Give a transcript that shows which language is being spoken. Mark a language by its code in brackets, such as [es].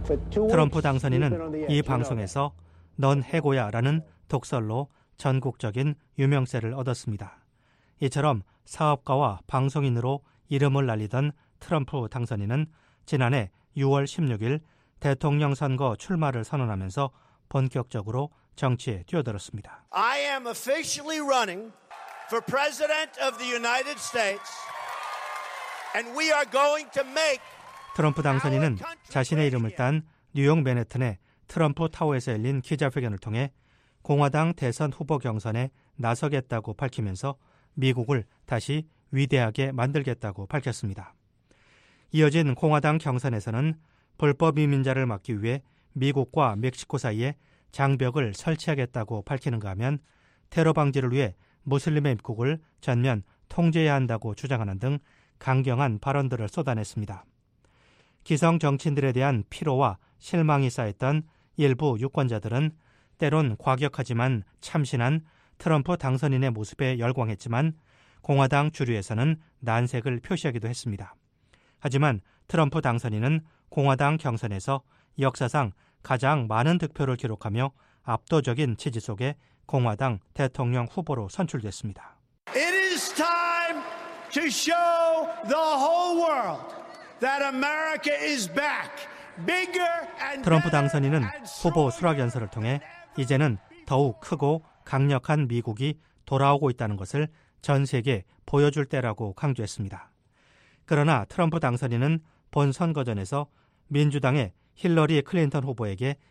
[ko] 트럼프 당선인은 이 방송에서 넌 해고야 라는 독설로 전국적인 유명세를 얻었습니다. 이처럼 사업가와 방송인으로 이름을 날리던 트럼프 당선인은 지난해 6월 16일 대통령 선거 출마를 선언하면서 본격적으로 정치에 뛰어들었습니다. [en] I am officially running for president of the United States and we are going to make [ko] 트럼프 당선인은 자신의 이름을 딴 뉴욕 맨해튼의 트럼프 타워에서 열린 기자회견을 통해 공화당 대선 후보 경선에 나서겠다고 밝히면서 미국을 다시 위대하게 만들겠다고 밝혔습니다. 이어진 공화당 경선에서는 불법 이민자를 막기 위해 미국과 멕시코 사이에 장벽을 설치하겠다고 밝히는가 하면 테러 방지를 위해 무슬림의 입국을 전면 통제해야 한다고 주장하는 등 강경한 발언들을 쏟아냈습니다. 기성 정치인들에 대한 피로와 실망이 쌓였던 일부 유권자들은 때론 과격하지만 참신한 트럼프 당선인의 모습에 열광했지만 공화당 주류에서는 난색을 표시하기도 했습니다. 하지만 트럼프 당선인은 공화당 경선에서 역사상 가장 많은 득표를 기록하며 압도적인 지지 속에 공화당 대통령 후보로 선출됐습니다. [en] It is time to show the whole world that America is back. Bigger and [ko] 트럼프 당선인은 후보 수락 연설을 통해 이제는 더욱 크고 강력한 미국이 돌아오고 있다는 것을 전 세계에 보여줄 때라고 강조했습니다. 그러나 트럼프 당선인은 본 선거전에서 민주당의 힐러리 클린턴 후보에게